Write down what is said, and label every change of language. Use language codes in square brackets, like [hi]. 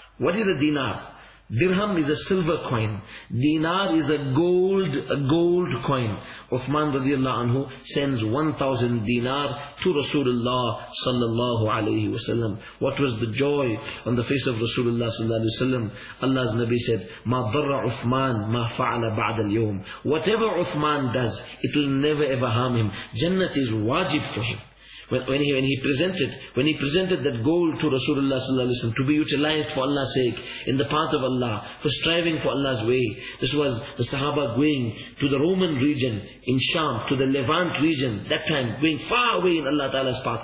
[en] What is a dinar? Dirham is a silver coin. Dinar is a gold coin. Uthman radiallahu anhu sends 1,000 dinar to Rasulullah sallallahu alayhi wa sallam. What was the joy on the face of Rasulullah sallallahu alayhi wa sallam? Allah's Nabi said, [ar] مَا ضَرَّ Uthman مَا فَعَلَ بَعْدَ الْيَوْمِ. [en] Whatever Uthman does, it will never ever harm him. Jannat is wajib for him. When he presented that gold to Rasulullah sallallahu alaihi wasallam to be utilized for Allah's sake, in the path of Allah, for striving for Allah's way, this was the Sahaba going to the Roman region in Sham, to the Levant region, that time going far away in Allah Ta'ala's path.